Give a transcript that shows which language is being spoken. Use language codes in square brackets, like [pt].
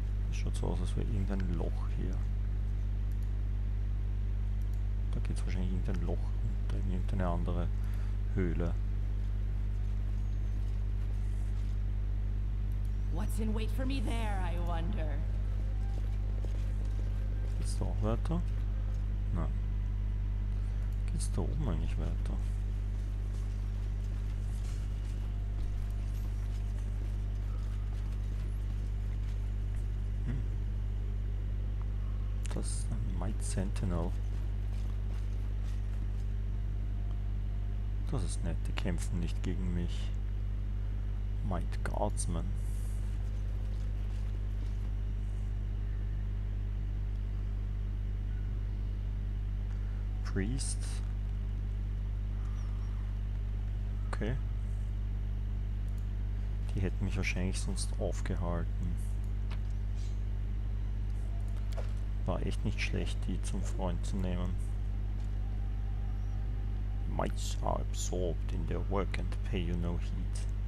[de] Es schaut so aus, als wäre irgendein Loch hier. Da geht's wahrscheinlich irgendein Loch und in irgendeine andere Höhle. [en] What's in wait for me there, I wonder? [de] Geht's da auch weiter? Nein. Geht's da oben eigentlich weiter? Hm. Das ist ein Might Sentinel. Das ist nett, die kämpfen nicht gegen mich. [en] Might Guardsman. Priest. [de] Okay. Die hätten mich wahrscheinlich sonst aufgehalten. War echt nicht schlecht, die zum Freund zu nehmen. [en] Mites are absorbed in their work and pay you no heed.